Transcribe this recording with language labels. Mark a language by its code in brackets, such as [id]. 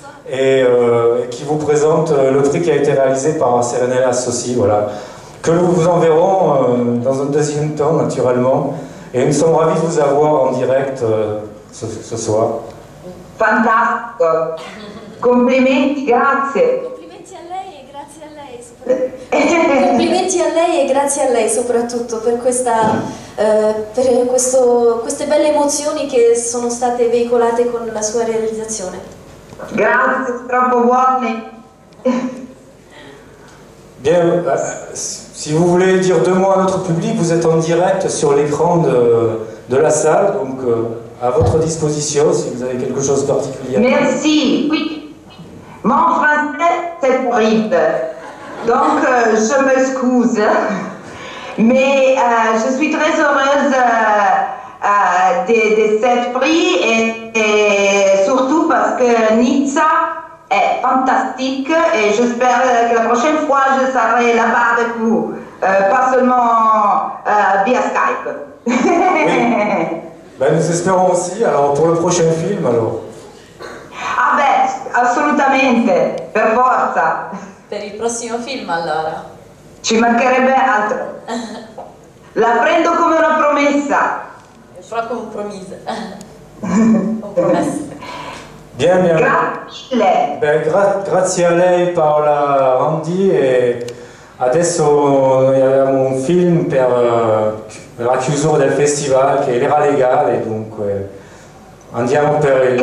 [fr] Et qui vous présente le prix qui a été réalisé par Serenella Sossi, voilà. Que nous vous enverrons dans un deuxième temps, naturellement. Et nous sommes ravis de vous avoir en direct ce soir. [it] Fantastico! Complimenti, grazie! Complimenti a lei e grazie a lei soprattutto per queste belle emozioni che sono state veicolate con la sua realizzazione. Grazie, troppo buoni. [fr] Bien, si vous voulez dire deux mots à notre public, vous êtes en direct sur l'écran de la salle, donc à votre disposition si vous avez quelque chose de particulier. Merci. Oui. Mon français, c'est horrible. Donc je m'excuse, mais je suis très heureuse de cette prix et surtout parce que Nizza est fantastique et j'espère que la prochaine fois je serai là-bas avec vous, pas seulement via Skype. Oui. Ben, nous espérons aussi, alors pour le prochain film alors. Ah ben, absolument, [it] per forza. Per il prossimo film allora. Ci mancherebbe altro. La prendo come una promessa. Fra compromise. Compromesse. [fr] Bien, bien. [it] Grazie. Ben, grazie a lei Paola Randi e adesso abbiamo un film per la chiusura del festival che era legale, dunque andiamo per il